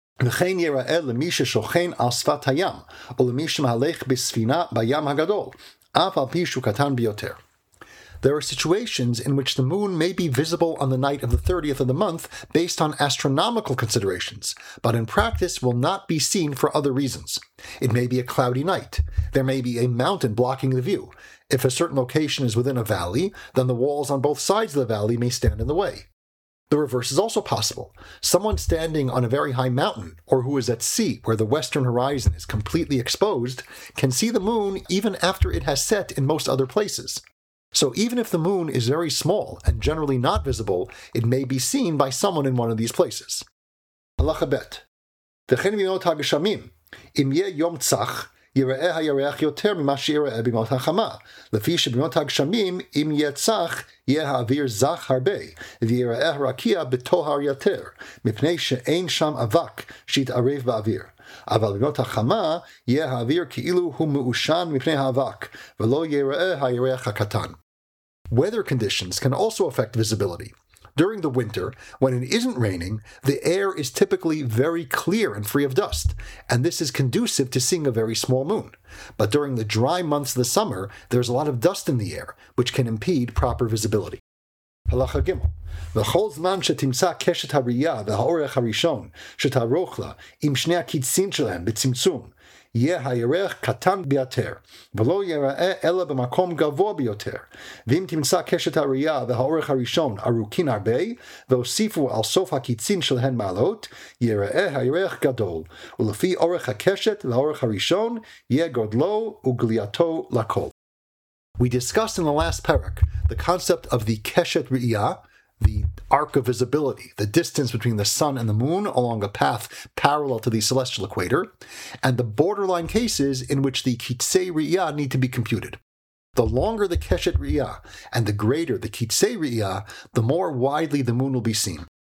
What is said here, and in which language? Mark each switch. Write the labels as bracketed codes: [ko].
[he] וכן יראה למי ששוכן על שפת הים, או למי שמהלך בספינה בים הגדול, אף על פי שהוא קטן ביותר. [en] There are situations in which the moon may be visible on the night of the 30th of the month based on astronomical considerations, but in practice will not be seen for other reasons. It may be a cloudy night. There may be a mountain blocking the view. If a certain location is within a valley, then the walls on both sides of the valley may stand in the way. The reverse is also possible. Someone standing on a very high mountain, or who is at sea, where the western horizon is completely exposed, can see the moon even after it has set in most other places. So even if the moon is very small and generally not visible, it may be seen by someone in one of these places. Halacha bet. [he] V'chein b'imot ha'gashamim, im yeh yom tzach, yireh ha'yireach yoter mima she'yireh b'imot ha'chama, lefi sh'b'imot ha'gashamim, im yeh tzach, יהיה האוויר זך הרבה, ויראה רקיע בתוהר יותר, מפני שאין שם אבק שיתערב באוויר. אבל בימות החמה, יהיה האוויר כאילו הוא מאושן מפני האבק, ולא יראה הירח הקטן. [en] Weather conditions can also affect visibility. During the winter, when it isn't raining, the air is typically very clear and free of dust, and this is conducive to seeing a very small moon. But during the dry months of the summer, there's a lot of dust in the air, which can impede proper visibility. Halacha Gimel. [he] V'chol zman shetimsa keshet ha'riya v'ha'orech ha'rishon shetaroch la im shnei ha'kitzin shelem b'tzimtzum יהיה הירח קטן ביותר, ולא יראה אלא במקום גבוה ביותר. ואם תמצא קשת הראייה והאורך הראשון ארוכין הרבה, והוסיפו על סוף הקיצין שלהן מעלות, יראה הירח גדול, ולפי אורך הקשת והאורך הראשון, יהיה גודלו וגלייתו לכל. [en] We discussed in the last perek the concept of the קשת ראייה, the arc of visibility, the distance between the sun and the moon along a path parallel to the celestial equator, and the borderline cases in which the kitsei ri'ya need to be computed. The longer the keshet ri'ya and the greater the kitsei ri'ya, the more widely the moon will be seen.